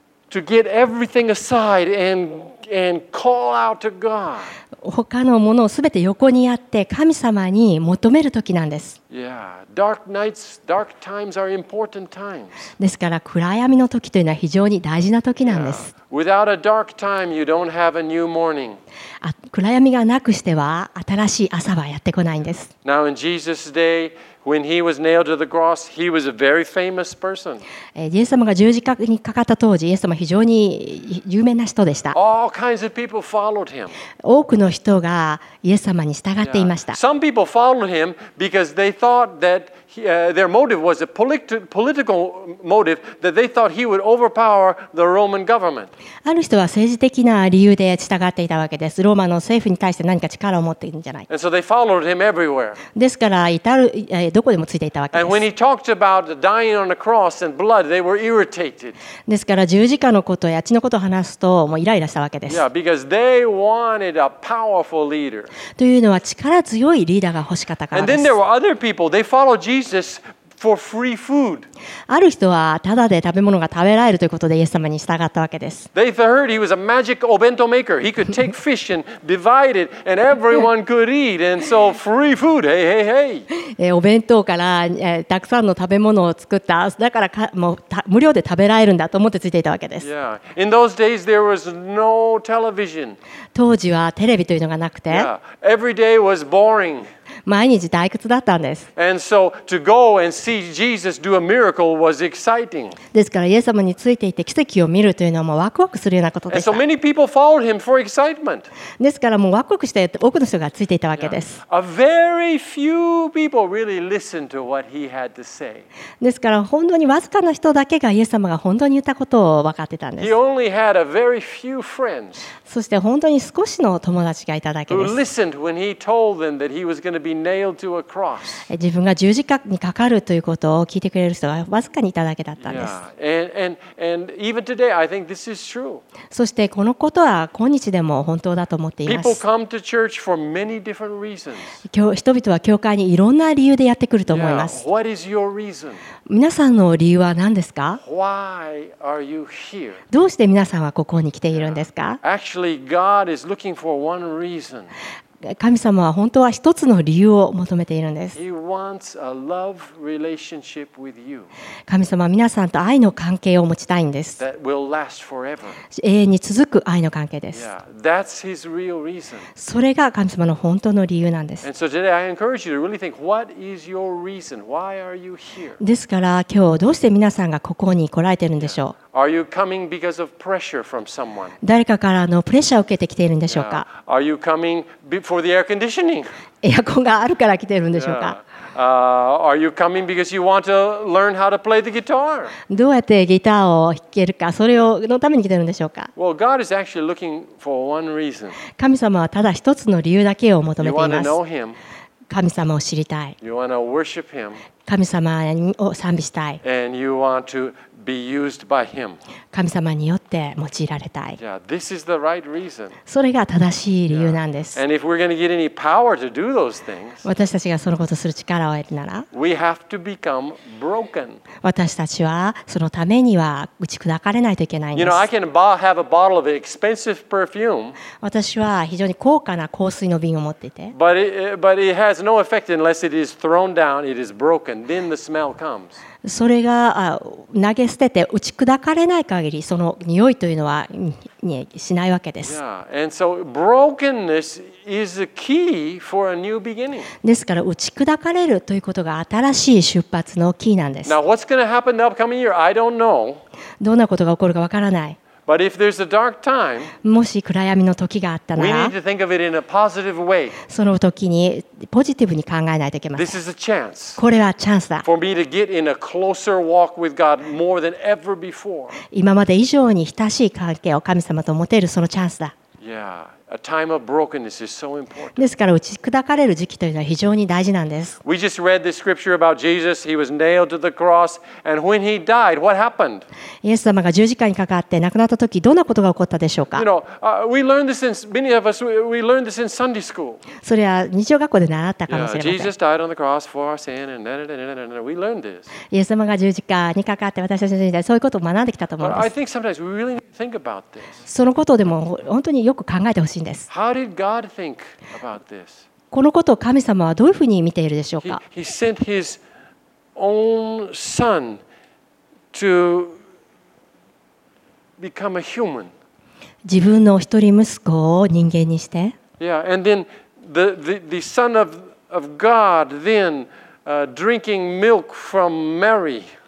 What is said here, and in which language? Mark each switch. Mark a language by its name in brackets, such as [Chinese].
[English] To get everything aside and call out to God. [Japanese] 他のものをすべて横にやって神様に求める時なんです。 [English] Yeah, dark nights, dark times are important times. [Japanese] ですから暗闇の時というのは非常に大事な時なんです。 Yeah. [English] Without a dark time, you don't have a new morning. [Japanese] 暗闇がなくしては新しい朝はやってこないんです。 [English] Now in Jesus' day. When he was nailed to the cross, he was a very famous person. [Japanese] イエス様が十字架にかかった当時、イエス様は非常に有名な人でした。 [English] All kinds of people followed him. [Japanese] 多くの人がイエス様に従っていました。 [English] Some people followed him because they thought that their motive was a political motive that they thought he would overpower the Roman government. [Japanese] ある人は政治的な理由で従っていたわけです。ローマの政府に対して何か力を持っているんじゃないか。 [English] And so they followed him everywhere. [Japanese] ですから至るどこでもついていたわけです。 [English] And when he talked about dying on a cross and blood, they were irritated. [Japanese] ですから十字架のことやあっちのことを話すともうイライラしたわけです。 [English] Yeah, because they wanted a powerful leader. [Japanese] というのは力強いリーダーが欲しかったからです。 [English] And then there were other people. They followed Jesus for free food. [Japanese] ある人はただで食べ物が食べられるということでイエス様に従ったわけです。 [English] They heard he was a magic obento maker. He could take fish and divide it, and everyone could eat. And so free food. Hey, hey, hey. [Japanese] お弁当からたくさんの食べ物を作った。だからもう無料で食べられるんだと思ってついていたわけです。 [English] Yeah. In those days there was no television. [Japanese] 当時はテレビというのがなくて。 [English] Yeah. Every day was boring. [Japanese] 毎日退屈だったんです。 [English] And so to go and see Jesus do a miracle was exciting. [Japanese] ですからイエス様についていて奇跡を見るというのはもうワクワクするようなことでした。 [English] And so many people followed him for excitement. [Japanese] ですからもうワクワクして多くの人がついていたわけです。 [English] A very few people really listened to what he had to say. [Japanese] ですから本当にわずかな人だけがイエス様が本当に言ったことを分かってたんです。 [English] He only had a very few friends. [Japanese] そして本当に少しの友達がいただけです。 [English] Who listened when he told them that he was going to be nailed to a cross. [Japanese] 自分が十字架にかかるということを聞いてくれる人がわずかにいただけだったんです。 [English] And even today, I think this is true. [Japanese] そしてこのことは今日でも本当だと思っています。 [English] People come to church for many different reasons. [Japanese] 人々は教会にいろんな理由でやってくると思います。 [English] What is your reason? [Japanese] 皆さんの理由は何ですか? [English] Why are you here? [Japanese] どうして皆さんはここに来ているんですか? [English] Actually, God is looking for one reason. [Japanese] 神様は本当は一つの理由を求めているんです。 [English] He wants a love relationship with you. [Japanese] 神様は皆さんと愛の関係を持ちたいんです。 [English] That will last forever. [Japanese] 永遠に続く愛の関係です。 [English] Yeah, that's his real reason. [Japanese] それが神様の本当の理由なんです。 [English] And so today I encourage you to really think, what is your reason? Why are you here? [Japanese] ですから今日どうして皆さんがここに来られているんでしょう。 Yeah. [English] Are you coming because of pressure from someone? [Japanese] 誰かからのプレッシャーを受けてきているんでしょうか? [English] Yeah. Are you coming for the air conditioning? [Japanese] エアコンがあるから来ているんでしょうか? Yeah. [English] Are you coming because you want to learn how to play the guitar? [Japanese] どうやってギターを弾けるか、それをのために来ているんでしょうか? [English] Well, God is actually looking for one reason. [Japanese] 神様はただ一つの理由だけを求めています。 [English] You want to know him. [Japanese] 神様を知りたい。 [English] You want to worship him. [Japanese] 神様を賛美したい。 [English] And you want to be used by him. [Japanese] 神様によって用いられたい。 [English] Yeah, this is the right reason. [Japanese] それが正しい理由なんです。 [English] And if we're going to get any power to do those things, [Japanese] 私たちがそのことをする力を得るなら、 [English] we have to become broken. [Japanese] 私たちはそのためには打ち砕かれないといけないんです。 [English] You know, I can have a bottle of expensive perfume. [Japanese] 私は非常に高価な香水の瓶を持っていて、 [English] But it has no effect unless it is thrown down, it is broken, then the smell comes. [Japanese] それが投げ捨てて打ち砕かれない限りその匂いというのはしないわけです。 Yeah. [English] And so brokenness is a key for a new beginning. [Japanese] ですから打ち砕かれるということが新しい出発のキーなんです。 [English] Now what's going to happen the upcoming year? I don't know. [Japanese] どんなことが起こるかわからない。 [English] But if there's a dark time, [Japanese] もし暗闇の時があったなら [English] we need to think of it in a positive way. [Japanese] その時にポジティブに考えないといけません。 [English] This is a chance. [Japanese] これはチャンスだ。 [English] For me to get in a closer walk with God more than ever before. [Japanese] 今まで以上に親しい関係を神様と持てるそのチャンスだ。 [English] Yeah, a time of brokenness is so important. [Japanese] ですから打ち砕かれる時期というのは非常に大事なんです。 [English] We just read the scripture about Jesus. He was nailed to the cross. And when he died, what happened? [Japanese] イエス様が十字架にかかって亡くなった時、どんなことが起こったでしょうか？ [English] You know, we learned this in many of us. We learned this in Sunday school. [Japanese] それは日曜学校で習ったかもしれません。 [English] Jesus died on the cross for our sin, and da-da-da-da-da-da. We learned this. [Japanese] イエス様が十字架にかかって私たちの時代、そういうことを学んできたと思うんです。 [English] I think sometimes we really need to think about this. [Japanese] そのことでも本当によく考えてほしいんです。 [English] How did God think about this? [Japanese] このことを神様はどういうふうに見ているでしょうか？ [English] He sent His own Son to become a human. [Japanese] 自分の一人息子を人間にして。 [English] Yeah, and then the son of God then drinking milk from Mary.